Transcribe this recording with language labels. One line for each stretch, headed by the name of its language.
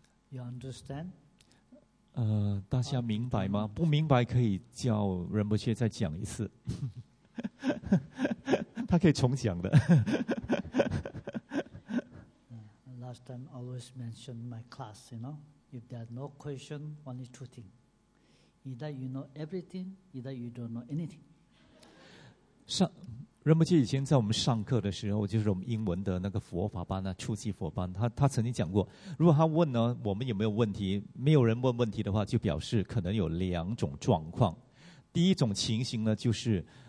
English: You understand?
Chinese: 大家明白吗？不明白可以叫仁波切再讲一次，他可以重讲的。
English: Last time always mention my class, you know, if there are no question, only two things: either you know everything, either you don't know anything.
Chinese: 上仁波切以前在我们上课的时候，就是我们英文的那个佛法班啊，初级佛班，他曾经讲过，如果他问呢，我们有没有问题，没有人问问题的话，就表示可能有两种状况。第一种情形呢，就是